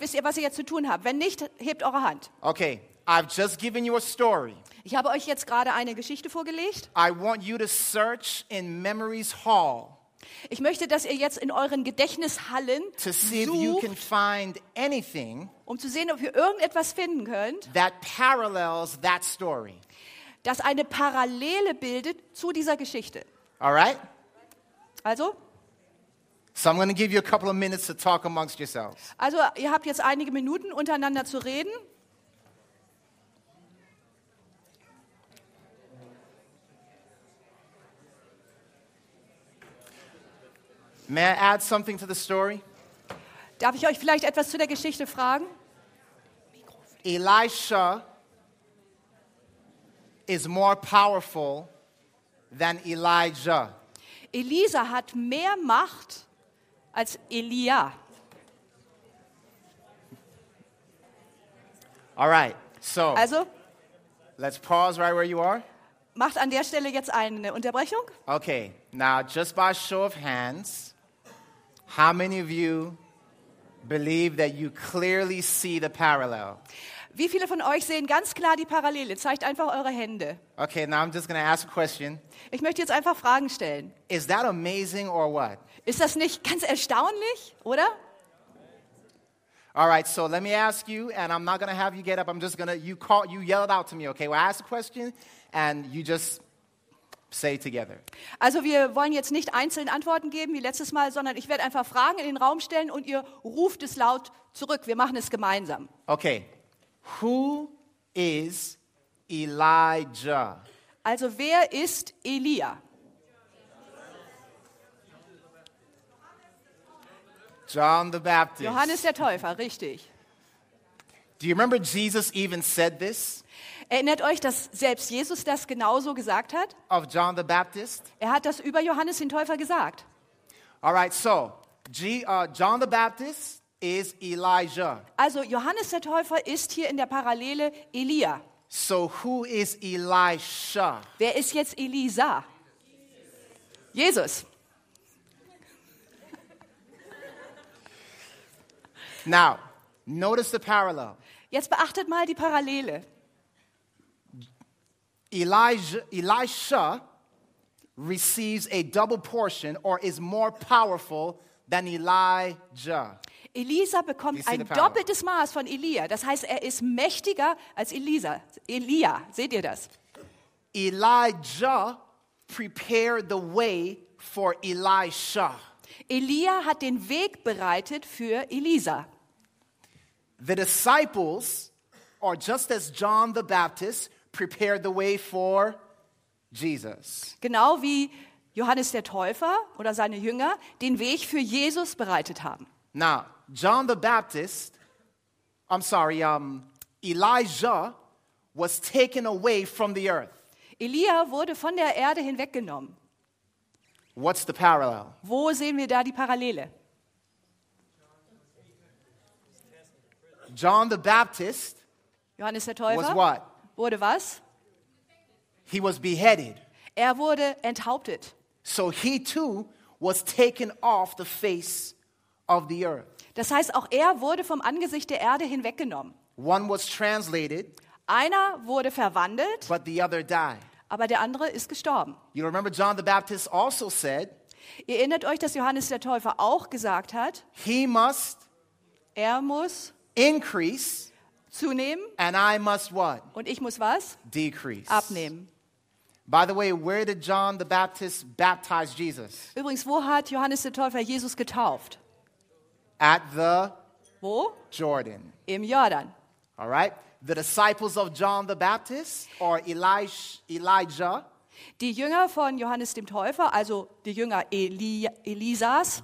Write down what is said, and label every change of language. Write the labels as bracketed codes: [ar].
[de] Wisst ihr, was ihr jetzt zu tun habt? Wenn nicht, hebt eure Hand. [en] Okay, I've just given you a story. [de] Ich habe euch jetzt gerade eine Geschichte vorgelegt. [en] I want you to search in Memories Hall. [de] Ich möchte, dass ihr jetzt in euren Gedächtnishallen [en] to see [de] sucht, [en] if you can find anything, [de] um zu sehen, ob ihr irgendetwas finden könnt, [en] that parallels that story. [de] Das eine Parallele bildet zu dieser Geschichte. [en] All right? [de] Also? [en] So I'm going to give you a couple of minutes to talk amongst yourselves. [de] Also, ihr habt jetzt einige Minuten untereinander zu reden. [en] May I add something to the story? [de] Darf ich euch vielleicht etwas zu der Geschichte fragen? [en] Elisha is more powerful than Elijah. [de] Elisa hat mehr Macht als Elia. [en] All right. So. [de] Also. [en] Let's pause right where you are. [de] Macht an der Stelle jetzt eine Unterbrechung. [en] Okay. Now, just by show of hands. How many of you believe that you clearly see the parallel? [de] Wie viele von euch sehen ganz klar die Parallele? Zeigt einfach eure Hände. [en] Okay, now I'm just going to ask a question. [de] Ich möchte jetzt einfach Fragen stellen. [en] Is that amazing or what? [de] Ist das nicht ganz erstaunlich, oder? [en] All right, so let me ask you, and I'm not going to have you get up. I'm just going to, you yell it out to me, okay? Well, I ask a question, and you just say together. [de] Also wir wollen jetzt nicht einzeln Antworten geben, wie letztes Mal, sondern ich werde einfach Fragen in den Raum stellen und ihr ruft es laut zurück. Wir machen es gemeinsam. [en] Okay. Who is Elijah? [de] Also wer ist Elia? [en] John the Baptist. [de] Johannes der Täufer, richtig. [en] Do you remember Jesus even said this? [de] Erinnert euch, dass selbst Jesus das genauso gesagt hat? [en] Of John the Baptist? [de] Er hat das über Johannes den Täufer gesagt. [en] All right, so John the Baptist is Elijah. [de] Also Johannes der Täufer ist hier in der Parallele Elia. [en] So who is Elisha? [de] Wer ist jetzt Elisa? Jesus. [en] Now, notice the parallel. [de] Jetzt beachtet mal die Parallele. [en] Elisha receives a double portion or is more powerful than Elijah. [de] Elisa bekommt ein doppeltes Maß von Elia. Das heißt, er ist mächtiger als Elia. Seht ihr das? [en] Elijah prepared the way for Elisha. [de] Elia hat den Weg bereitet für Elisa. [en] The disciples are just as John the Baptist prepared the way for Jesus. [de] Genau wie Johannes der Täufer oder seine Jünger den Weg für Jesus bereitet haben. [en] Now, John the Baptist, I'm sorry, Elijah was taken away from the earth. [de] Elia wurde von der Erde hinweggenommen. [en] What's the parallel? [de] Wo sehen wir da die Parallele? [en] John the Baptist, [de] Johannes der Täufer, [en] was what? [de] Wurde was? [en] He was beheaded. [de] Er wurde enthauptet. [en] So he too was taken off the face of the earth. [de] Das heißt, auch er wurde vom Angesicht der Erde hinweggenommen. [en] One was translated. [de] Einer wurde verwandelt. [en] But the other died. [de] Aber der andere ist gestorben. [en] You remember John the Baptist also said. [de] Ihr erinnert euch, dass Johannes der Täufer auch gesagt hat. [en] He must. [de] Er muss. [en] Increase. [de] Zunehmen. [en] And I must what? [de] Und ich muss was? [en] Decrease. [de] Abnehmen. [en] By the way, where did John the Baptist baptize Jesus? [de] Übrigens, wo hat Johannes der Täufer Jesus getauft? [en] At the [de] wo? [en] Jordan. [de] Im Jordan. [en] All right. The disciples of John the Baptist or Elijah. [de] Die Jünger von Johannes dem Täufer, also die Jünger Elisas.